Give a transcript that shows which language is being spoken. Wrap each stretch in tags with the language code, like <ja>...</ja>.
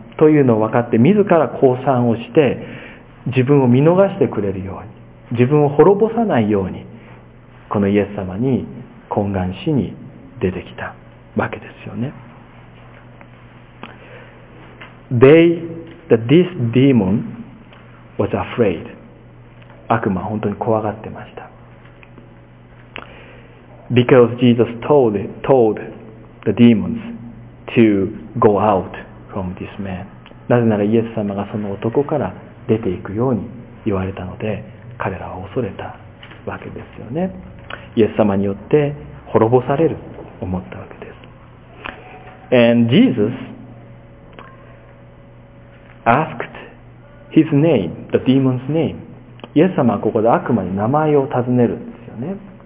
<ja>というのを分かって、自ら降参をして、自分を見逃してくれるように、自分を滅ぼさないように、このイエス様に懇願しに出てきたわけですよね。</ja> <en>This demon was afraid.</en> <ja>悪魔は本当に怖がってました。</ja> <en>Because Jesus told the demons to go out from this man.</en> <ja>なぜならイエス様がその男から出ていくように言われたので、彼らは恐れたわけですよね。イエス様によって滅ぼされると思ったわけです。</ja> <en>And Jesus asked his name, the demon's name.</en> <ja>イエス様はここで悪魔に名前を尋ねるんですよね。</ja>